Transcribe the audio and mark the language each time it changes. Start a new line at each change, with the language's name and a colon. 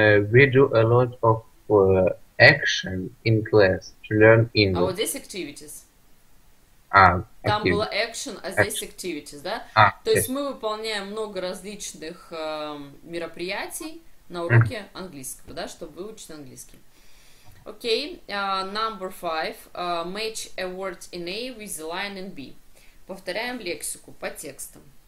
English: We do a lot of action in class to learn English.
Russian: А вот здесь activities.
English: Activity.
Russian: Там было action, а здесь action. Activities, да? То есть мы выполняем много различных мероприятий на уроке английского, да, чтобы выучить английский.
English: Окей, number five, match a word in A with the line in B.
Russian: Повторяем лексику по текстам.